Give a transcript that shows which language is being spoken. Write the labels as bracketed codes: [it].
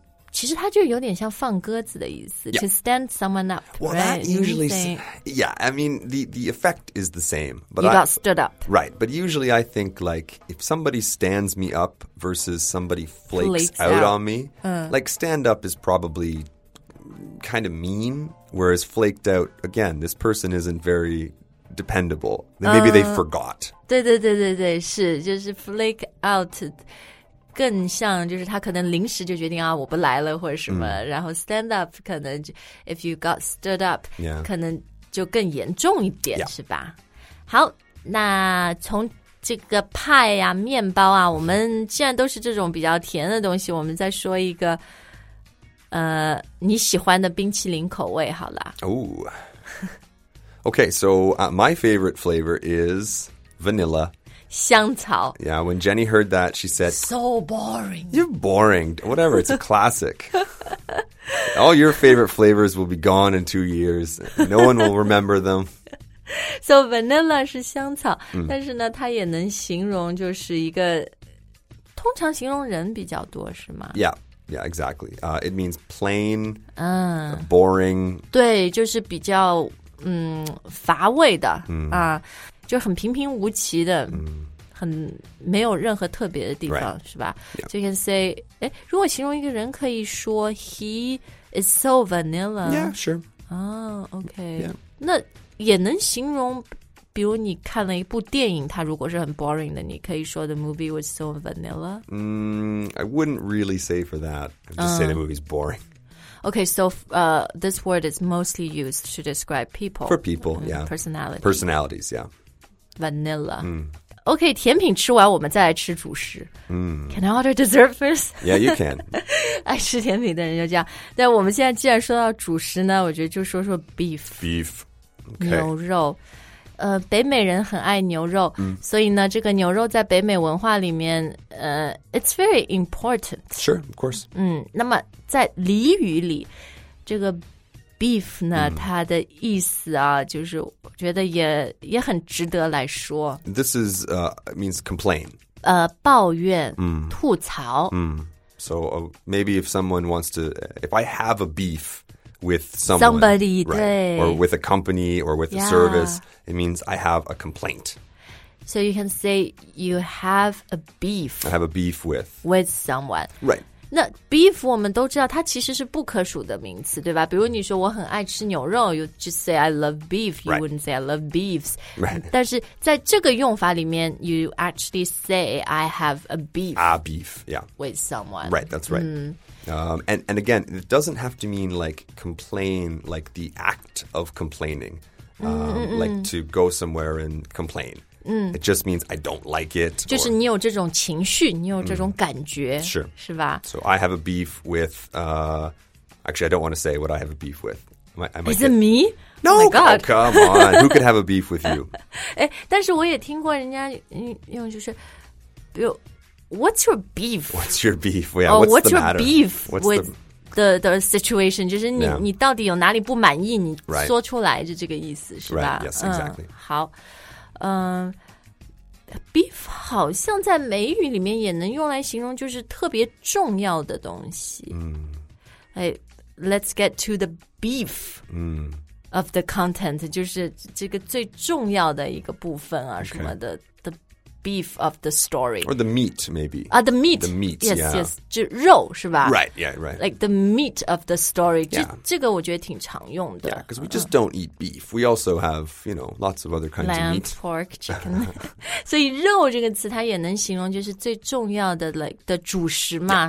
[zh] 其实它就有点像放鸽子的意思、 [en] yeah. to stand someone up. Well,、 right? that usually, say, yeah, I mean, the effect is the same. But you got stood up. Right, but usually I think, like, if somebody stands me up versus somebody flakes out on me,、like, stand up is probably kind of mean, whereas flaked out, again, this person isn't very dependable. Maybe、they forgot. [zh] 对对对对对是就是 flake out. 更像就是他可能临时就决定啊我不来了或者什么、 mm. 然后 [en] stand up [zh] 可能 [en] if you got stood up、 yeah. [zh] 可能就更严重一点、 [en] yeah. [zh] 是吧好那从这个派啊面包啊我们既然都是这种比较甜的东西我们再说一个你喜欢的冰淇淋口味好了、 [en] Ooh. OK so、my favorite flavor is vanilla [zh] 香草 [en] Yeah, when Jenny heard that, she said So boring You're boring, whatever, it's a classic All your favorite flavors will be gone in 2 years No one will remember them So [zh] vanilla 是香草、mm. 但是呢它也能形容就是一个通常形容人比较多是吗 [en] Yeah, yeah, exactly It means plain,、 [zh] boring 对就是比较、乏味的、 mm. 就很平平无奇的、 mm. 很没有任何特别的地方、 [en] right. [zh] 是吧、 [en] yeah. so、you can say [zh] 如果形容一个人可以说 [en] He is so vanilla Yeah, sure OK、 yeah. [zh] 那也能形容比如你看了一部电影它如果是很 boring 的你可以说 [en] The movie was so vanilla、 I wouldn't really say for that I'd just say the movie's boring OK, so this word is mostly used to describe people For people, yeah Personalities Personalities, yeah Vanilla、 mm. [zh] OK, 甜品吃完我们再来吃主食。 [en] Can I order dessert first? Yeah, you can. [zh] 爱吃甜品的人就这样。但我们现在既然说到主食呢，我觉得就说说 beef. [en] Beef.、Okay. [zh] 牛肉。北美人很爱牛肉、嗯、所以呢这个牛肉在北美文化里面 [en] it's very important. Sure, of course. [zh] 嗯，那么在俚语里这个 beef 呢、嗯、它的意思啊就是觉得也很值得来说。 [en] This is, means complain. [zh] 抱怨、嗯、吐槽。 [en] 嗯、so maybe if someone wants to, if I have a beef,with someone, somebody, right, [zh] 对 [en] or with a company or with、 yeah. a service, it means I have a complaint. So you can say you have a beef. I have a beef with. With someone. Right. [zh] 那 beef 我们都知道它其实是不可数的名词对吧比如你说我很爱吃牛肉 [en] you just say I love beef, you、 right. wouldn't say I love beefs. Right. 但是在这个用法里面 you actually say I have a beef. A beef, yeah. With someone. Right, that's right.、 Mm. And again, it doesn't have to mean like complain, like the act of complaining,、like to go somewhere and complain.、 Mm. It just means I don't like it. [zh] 就是你有这种情绪，你有这种感觉，是是吧 [en] ？So I have a beef with. Actually, I don't want to say what I have a beef with. Is it me? No, oh my God. Oh, come on. Who could have a beef with you? [zh] 哎，但是我也听过人家用就是，比如。 [en] What's your beef? What's your beef? Yeah,、 oh, what's the matter? Beef what's with the situation? [zh] 就是你、 [en] yeah. [zh] 你到底有哪里不满意？你说出来就这个意思、 [en] right. [zh] 是吧 [en] ？Right. Yes, exactly.、 [zh] 好，beef 好像在美语里面也能用来形容就是特别重要的东西。嗯， [en] 哎 ，Let's get to the beef. Of the content, [zh] 就是这个最重要的一个部分啊、 [en] okay. [zh] 什么的。 [en] Beef of the story. Or the meat, maybe. The meat. The meat, yes, yeah. Yes, yes. [zh] 就肉是吧 [en] Right, yeah, right. Like the meat of the story. Yeah. [zh] 这个我觉得挺常用的。 [en] Yeah, because we just don't eat beef. We also have, you know, lots of other kinds Lamb, of meat. Lamb, pork, chicken. [zh] 所以肉这个词它也能形容就是最重要的 like, 的主食嘛、